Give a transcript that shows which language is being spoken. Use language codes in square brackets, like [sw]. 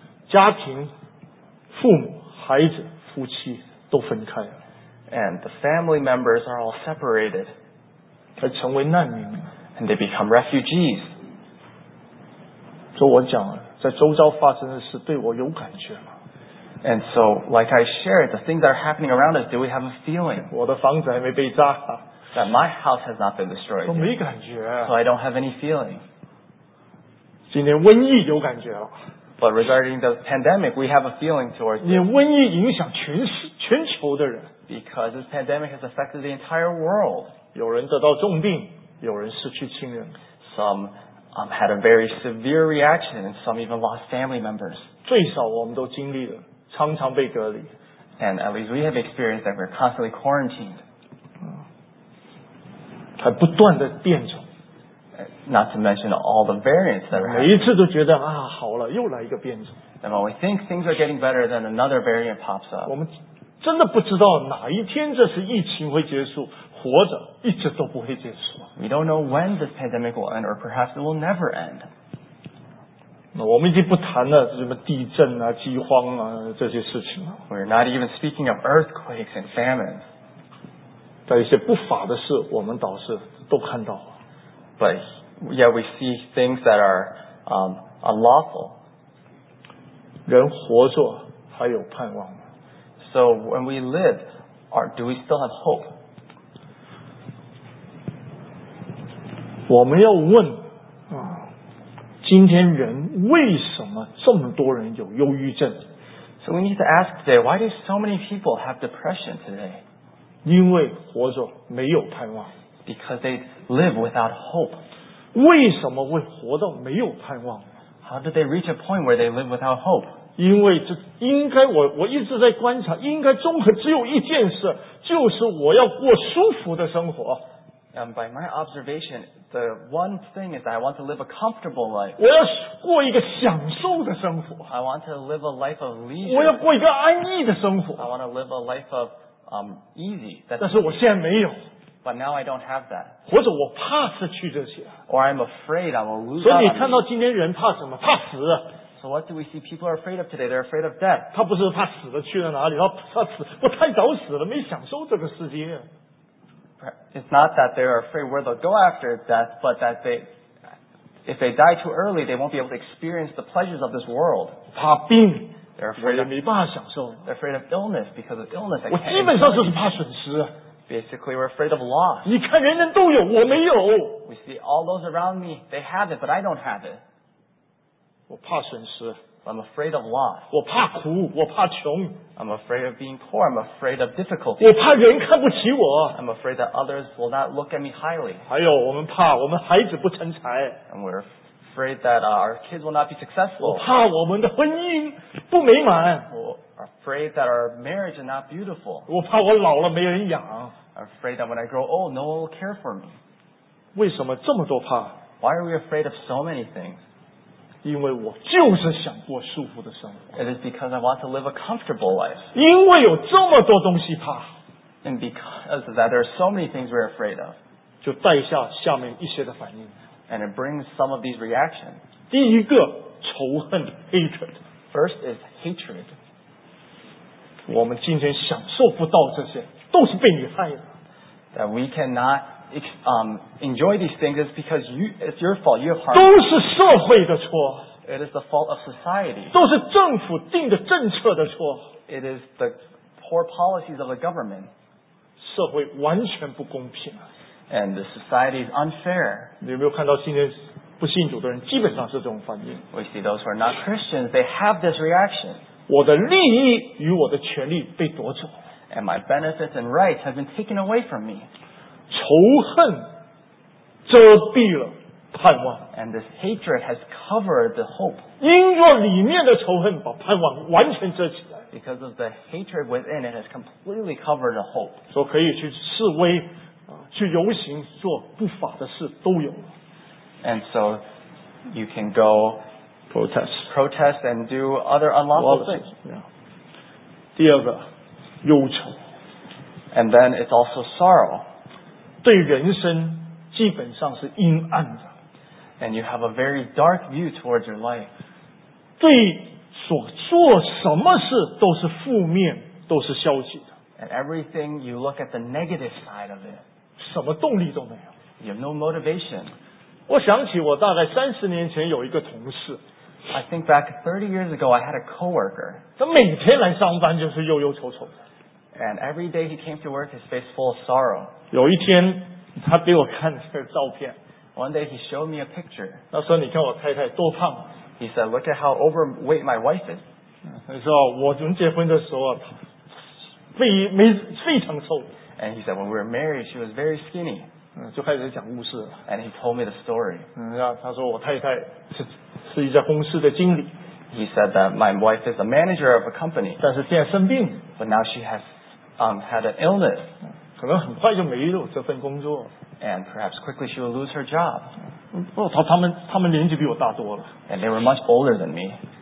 [zh] 家庭、父母、孩子、夫妻都分开了。 [en] And the family members are all separated. [zh] 他成为难民。 [en] And they become refugees. [zh] 就我讲了，在周遭发生的事对我有感觉吗？ [en] And so, like I shared, the things that are happening around us, do we have a feeling? [zh] 我的房子还没被炸。 [en] That my house has not been destroyed. [zh] 我没感觉。 [en] So I don't have any feeling. [zh] 今天瘟疫有感觉了。 [en] But regarding the pandemic, we have a feeling towards it. [zh] 你瘟疫影响全球的人。 [en] Because this pandemic has affected the entire world. [zh] 有人得到重病，有人失去亲人。 [en] Some had a very severe reaction, and some even lost family members. [zh] 最少我们都经历了。常常被隔离。 [en] And at least we have experienced that we're constantly quarantined. [zh] 还不断的变种。 [en] Not to mention all the variants that are happening. [zh] 每一次都觉得啊，好了，又来一个变种。 [en] And when we think things are getting better, then another variant pops up. [zh] 我们真的不知道哪一天这次疫情会结束，活着一直都不会结束。 [en] We don't know when this pandemic will end, or perhaps it will never end. [zh] 那我们已经不谈了什么地震啊、饥荒啊这些事情了。 [en] We're not even speaking of earthquakes and famine. [zh] 但一些不法的事，我们倒是都看到了。 [en] But yeah, we see things that are unlawful. [zh] 人活着还有盼望。 [en] So when we live, do we still have hope? [zh] 我们要问。今天人为什么这么多人有忧郁症 [en] ？So we need to ask today, why do so many people have depression today? [zh] 因为活着没有盼望。 [en] Because they live without hope. [zh] 为什么会活到没有盼望 [en] ？How did they reach a point where they live without hope? [zh] 因为这应该我一直在观察，应该综合只有一件事，就是我要过舒服的生活。 [en] And by my observation, the one thing is that I want to live a comfortable life. [zh] 我要过一个享受的生活。 [en] I want to live a life of leisure. [zh] 我要过一个安逸的生活。 [en] I want to live a life of easy. [zh] 但是我现在没有。 [en] But now I don't have that. [zh] 或者我怕失去这些。 [en] Or I'm afraid I will lose out on these. [zh] 所以你看到今天人怕什么？怕死。 [en] So what do we see people are afraid of today? They're afraid of death. [zh] 他不是怕死了去了哪里，他怕死，我太早死了，没享受这个世界。 [en] It's not that they're afraid where they'll go after death, but that they, if they die too early, they won't be able to experience the pleasures of this world. [zh] 怕病 [en] they're afraid, [zh] 我也没办法享受 [en] they're afraid of illness because of illness. [zh] 我基本上就是怕损失 [en] Basically, we're afraid of loss. [zh] 你看人人都有，我没有 [en] We see all those around me, they have it, but I don't have it. [zh] 我怕损失 [en] I'm afraid of loss. [zh] 我怕苦，我怕穷 [en] I'm afraid of being poor. I'm afraid of difficulty. [zh] 我怕人看不起我。 [en] I'm afraid that others will not look at me highly. [zh] 还有，我们怕我们孩子不成才。 [en] And we're afraid that our kids will not be successful. [zh] 我怕我们的婚姻不美满。 [en] We're afraid that our marriage is not beautiful. [zh] 我怕我老了没人养。 [en] I'm afraid that when I grow old, no one will care for me. [zh] 为什么这么多怕 [en] ？Why are we afraid of so many things? [zh] 因为我就是想过舒服的生活。 [en] It is because I want to live a comfortable life. [zh] 因为有这么多东西怕。 [en] And because of that, there are so many things we're afraid of. [zh] 就带下下面一些的反应。 [en] And it brings some of these reactions. [zh] 第一个，仇恨 hatred. [en] First is hatred. [zh] 我们今天享受不到这些，都是被你害的。 [en] That we cannot enjoy these things is because it's your fault. You have harmed. [zh] 都是社会的错。 [en] It is the fault of society. [zh] 都是政府定的政策的错。 [en] It is the poor policies of the government. [zh] 社会完全不公平。 [en] And the society is unfair. [zh] 你有没有看到今天不信主的人基本上是这种反应 [en] ？We see those who are not Christians. They have this reaction. [zh] 我的利益与我的权利被夺走。 [en] And my benefits and rights have been taken away from me. [zh] 仇恨遮蔽了盼望。 [en] And this hatred has covered the hope. [zh] 因着里面的仇恨把盼望完全遮起来。 [en] Because of the hatred within, it has completely covered the hope. [zh] 说可以去示威，去游行，做不法的事都有了。 [en] And so you can go protest and do other unlawful things. [zh] Yeah. 第二个，忧愁。 [en] And then it's also sorrow. [zh] 对人生基本上是阴暗的。 [en] And you have a very dark view towards your life. [zh] 对所做什么事都是负面，都是消极的。 [en] And everything you look at the negative side of it. [zh] 什么动力都没有。 [en] You have no motivation. [zh] 我想起我大概三十年前有一个同事。 [en] I think back 30 years ago, I had a coworker. [zh] 他每天来上班就是忧忧愁愁的。 [en] And every day he came to work, his face full of sorrow. [zh] 有一天他给我看这个照片。 [en] One day he showed me a picture. [zh] 他说你看我太太多胖。 [en] He said, look at how overweight my wife is. [zh] 他说我们结婚的时候非常瘦。 [en] And he said, when we were married, she was very skinny. [zh] 就开始讲故事了。 [en] And he told me the story. [zh] 他说我太太是一家公司的经理。 [en] He said that my wife is a manager of a company. [zh] 但是现在生病。 [en] But now she has had an illness. [zh] 可能很快就没有这份工作。 [en] And perhaps quickly she will lose her job. [zh] 他们年纪比我大多了。 [en] And they were much older than me.